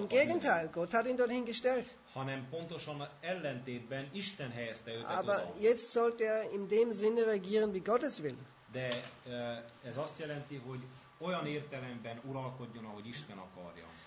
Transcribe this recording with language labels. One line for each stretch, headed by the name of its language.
German: Im Gegenteil, Gott hat ihn dorthin gestellt.
Hungarian: Hanem pontosan ellentétben Isten helyezte őt oda.
German: Aber jetzt sollte er in dem Sinne regieren, wie Gott es will.
Hungarian: De ez azt jelenti, hogy olyan értelemben uralkodjon, ahogy Isten akarja.